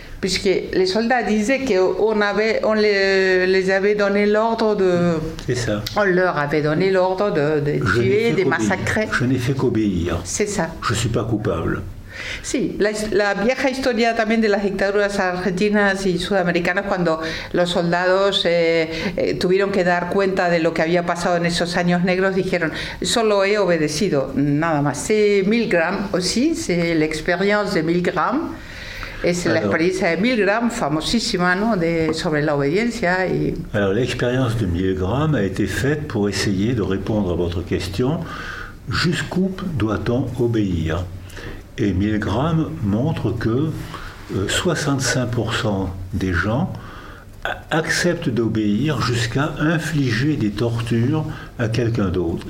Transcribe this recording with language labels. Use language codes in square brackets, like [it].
[fr] Puisque les soldats disaient qu'on les avait donné l'ordre de... C'est ça. On leur avait donné l'ordre de tuer, de massacrer. Je n'ai fait qu'obéir. C'est ça. Je ne suis pas coupable. [es] Sí, la vieja historia también de las dictaduras argentinas y sudamericanas, cuando los soldados tuvieron que dar cuenta de lo que había pasado en esos años negros, dijeron, solo he obedecido, nada más. [fr] C'est Milgram aussi, c'est l'expérience de Milgram. [es] Es la experiencia de Milgram, famosísima, ¿no?, sobre la obediencia. [fr] Alors, l'expérience de Milgram a été faite pour essayer de répondre à votre question, jusqu'où doit-on obéir ? Et Milgram montre que 65% des gens acceptent d'obéir jusqu'à infliger des tortures à quelqu'un d'autre.